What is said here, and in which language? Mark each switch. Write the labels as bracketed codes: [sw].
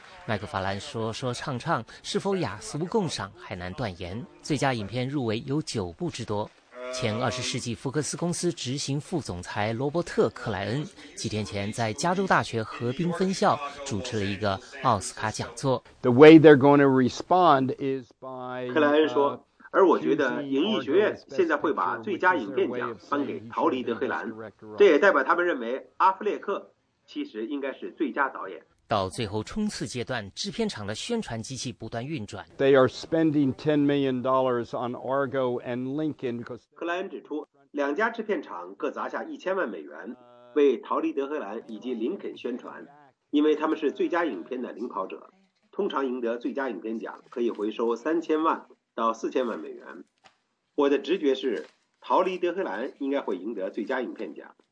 [zh] 麦克法兰说说唱唱，是否雅俗共赏还难断言。最佳影片入围有9部之多。前20世纪福克斯公司执行副总裁罗伯特·克莱恩几天前在加州大学河滨分校主持了一个奥斯卡讲座。 [en] The way they're going to respond is by [zh] 克莱恩说，而我觉得影艺学院现在会把最佳影片奖颁给逃离德黑兰，这也代表他们认为阿弗列克其实应该是最佳导演。到最后冲刺阶段，制片厂的宣传机器不断运转。 [en] They are spending $10 million on Argo and Lincoln. [zh] 克莱恩指出，两家制片厂各砸下$10,000,000为《逃离德黑兰》以及《林肯》宣传，因为他们是最佳影片的领跑者。通常赢得最佳影片奖可以回收$30,000-$40,000。我的直觉是，《逃离德黑兰》应该会赢得最佳影片奖。